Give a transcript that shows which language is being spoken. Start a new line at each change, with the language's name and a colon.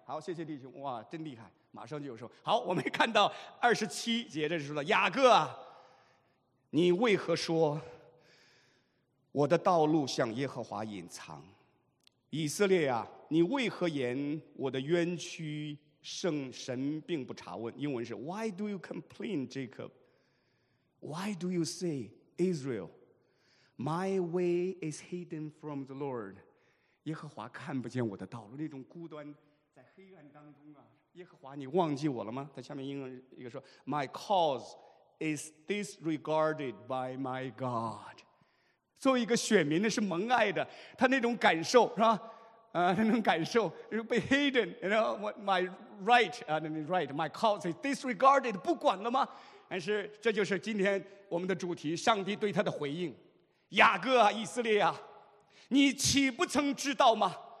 Chinese: 好，谢谢弟兄，哇，真厉害，马上就有说。好，我们看到二十七节，这是说雅各啊，你为何说我的道路向耶和华隐藏？以色列啊，你为何言我的冤屈圣神并不查问？英文是
English: Why do you complain, Jacob? Why do you say, Israel, my way is hidden from the Lord?
Chinese: 耶和华看不见我的道路，那种孤单在黑暗当中啊，耶和华你忘记我了吗？他下面英文一个说
English: My cause is disregarded by my God.
Chinese: 作为一个选民的是蒙爱的，他那种感受是吧，那种感受被
English: hidden, you know, my right, my cause is disregarded,
Chinese: 不管了吗？但是这就是今天我们的主题，上帝对他的回应。雅各啊，以色列啊，你岂不曾知道吗？